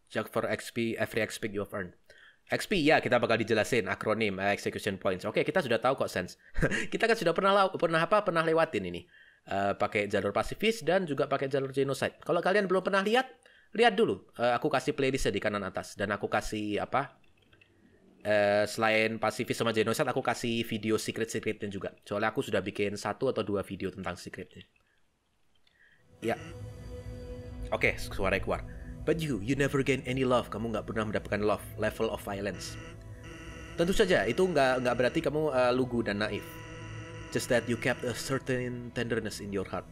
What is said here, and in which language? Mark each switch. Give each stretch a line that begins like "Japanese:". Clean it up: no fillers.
English: Check for XP, every XP you have earned.
Indonesian: XP, ya, kita bakal dijelasin akronim execution points. Oke, kita sudah tahu kok Sense. Kita kan sudah pernah lewatin ini. Pakai jalur pasifis dan juga pakai jalur genocide. Kalau kalian belum pernah lihat dulu. Aku kasih playlistnya di kanan atas dan aku kasih apa? Selain pasifis sama genocide, aku kasih video secret-secretnya juga. Soalnya aku sudah bikin satu atau dua video tentang secretnya. Ya. Oke, suara keluar.
English: But you never gain any love.
Indonesian: Kamu nggak pernah mendapatkan
English: love, level of violence.
Indonesian: Tentu saja, itu nggak berarti kamu lugu dan naif.
English: Just that you kept a certain tenderness in your heart.